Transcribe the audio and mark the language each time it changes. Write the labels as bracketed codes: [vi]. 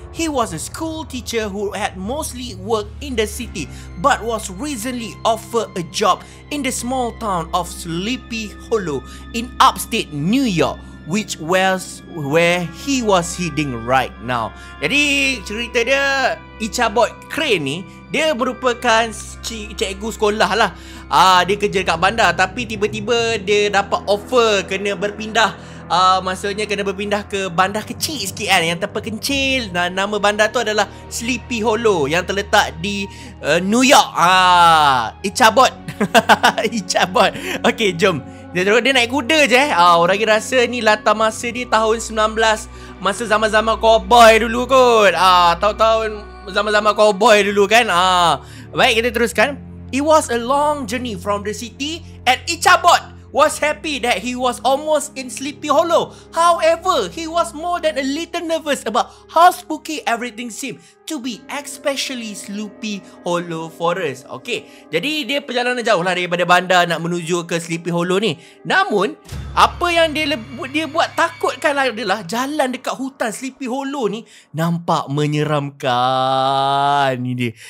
[en] He was a school teacher who had mostly worked in the city but was recently offered a job in the small town of Sleepy Hollow in upstate New York, which was where he was hiding right now. [ms] Jadi cerita dia, Ichabod Crane ni, dia merupakan cikgu sekolah lah. Dia kerja kat bandar tapi tiba-tiba dia dapat offer kena berpindah. Maksudnya kena berpindah ke bandar kecil sikit kan, yang terpencil. Dan nama bandar tu adalah Sleepy Hollow yang terletak di New York. Ichabod. Ichabod. Okay, jom. Dia naik kuda je eh. Orang ni rasa ni latar masa dia tahun 19, masa zaman-zaman cowboy dulu kot. Tahun-tahun zaman-zaman cowboy dulu kan. Baik, kita teruskan. [en] It was a long journey from the city and Ichabod was happy that he was almost in Sleepy Hollow. However, he was more than a little nervous about how spooky everything seemed to be, especially Sleepy Hollow Forest. [ms] Okay, jadi dia perjalanan jauh lah daripada bandar nak menuju ke Sleepy Hollow ni. Namun, apa yang dia buat takutkan adalah jalan dekat hutan Sleepy Hollow ni nampak menyeramkan. Ni dia.